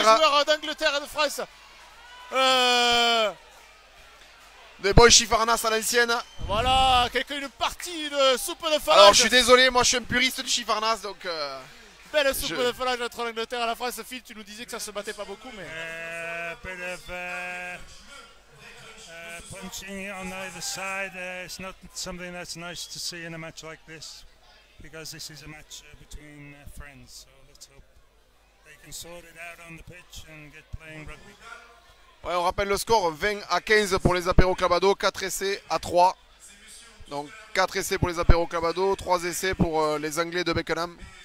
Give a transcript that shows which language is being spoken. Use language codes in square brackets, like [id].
[fr] Les joueurs d'Angleterre et de France. Des boys chifarnas à l'ancienne. Voilà, quelqu'un, une partie de soupe de falage. Alors, je suis désolé, moi, je suis un puriste du chifarnas, donc. Belle soupe de falage entre l'Angleterre et la France. Phil, tu nous disais que ça se battait pas beaucoup, mais. [en] Punching on either side, it's not something that's nice to see in a match like this, because this is a match between friends, so let's hope they can sort it out on the pitch and get playing rugby. [fr] Ouais, on rappelle le score, 20-15 pour les apéros Clavado, 4 essais à 3. Donc 4 essais pour les apéros Clavado, 3 essais pour les Anglais de Beckenham.